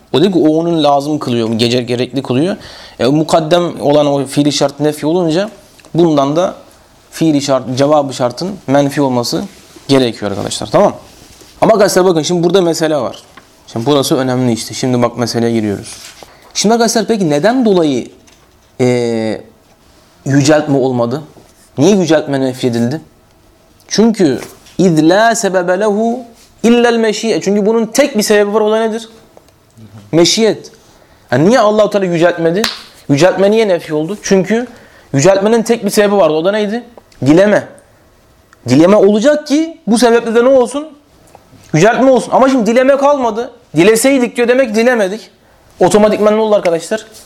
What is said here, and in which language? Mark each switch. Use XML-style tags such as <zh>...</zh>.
<tr>O dedi ki o onun lazım kılıyor. Gece gerekli kılıyor. Mukaddem olan o fiili şart nefi olunca bundan da fiili şart, cevabı şartın menfi olması gerekiyor arkadaşlar. Tamam. Ama arkadaşlar bakın şimdi burada mesele var. Şimdi burası önemli işte. Şimdi bak meseleye giriyoruz. Şimdi arkadaşlar peki neden dolayı yüceltme olmadı? Niye yüceltme nefyedildi?</tr> <ar>Çünkü اِذْ لَا سَبَبَ لَهُ اِلَّا الْمَشِيَةِ.</ar> <tr>Çünkü bunun tek bir sebebi var, o da nedir? Meşiyet. Yani niye Allah-u Teala yüceltmedi? Yüceltme niye nefi oldu? Çünkü yüceltmenin tek bir sebebi vardı, o da neydi? Dileme. Dileme olacak ki bu sebeple de ne olsun? Yüceltme olsun. Ama şimdi dileme kalmadı. Dileseydik diyor, demek dilemedik. Otomatikman ne olur arkadaşlar?</tr>